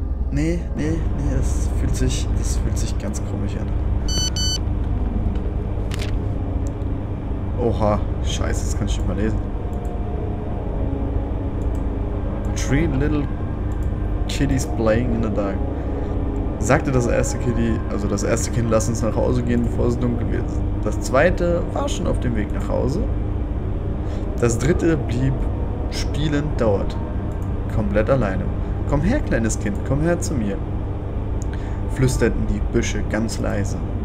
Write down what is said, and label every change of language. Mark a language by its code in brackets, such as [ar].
[de] Nee, das fühlt sich ganz komisch an. Oha, scheiße, das kann ich nicht mal lesen. [en] Three little kitties playing in the dark. [de] Sagte das erste Kitty, also das erste Kind, lass uns nach Hause gehen, bevor es dunkel wird. Das zweite war schon auf dem Weg nach Hause. Das dritte blieb spielend dauert. Komplett alleine. Komm her, kleines Kind, komm her zu mir. Flüsterten die Büsche ganz leise.